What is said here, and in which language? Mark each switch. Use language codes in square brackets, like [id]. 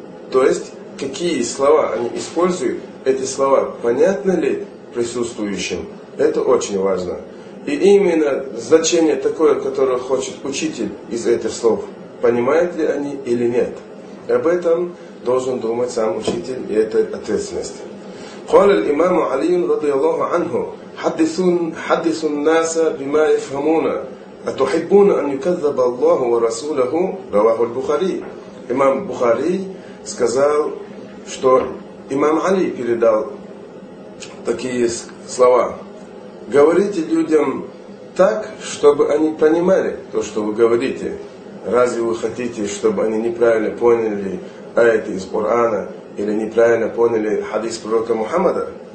[ru] То есть, какие слова они используют, эти слова понятны ли присутствующим, это очень важно. И именно значение такое, которое хочет учитель из этих слов, понимают ли они или нет. Об этом должен думать сам учитель, и это ответственность. [ar] قال الإمام علي رضي الله عنه حدث الناس بما يفهمون أتحبون أن يكذب الله ورسوله رواه البخاري. [ru] Имам Бухари сказал, что имам Али передал такие слова: говорите людям так, чтобы они понимали то, что вы говорите. Разве вы хотите, чтобы они неправильно поняли аяты из Корана или неправильно поняли хадис пророка Мухаммада?